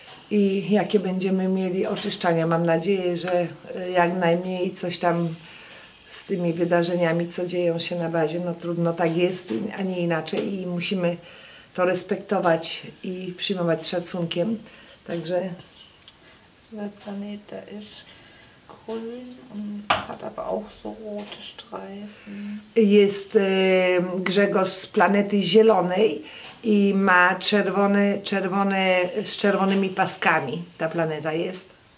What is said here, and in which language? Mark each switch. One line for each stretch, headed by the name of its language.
Polish: I jakie będziemy mieli oczyszczania. Mam nadzieję, że jak najmniej coś tam z tymi wydarzeniami, co dzieją się na bazie, no trudno, tak jest, a nie inaczej. I musimy to respektować i przyjmować szacunkiem. Także...
German: Der Planet ist grün und hat aber auch so rote Streifen.
Polish: Jest Grzegorz z planety zielonej. I ma czerwone, z czerwonymi paskami ta planeta jest.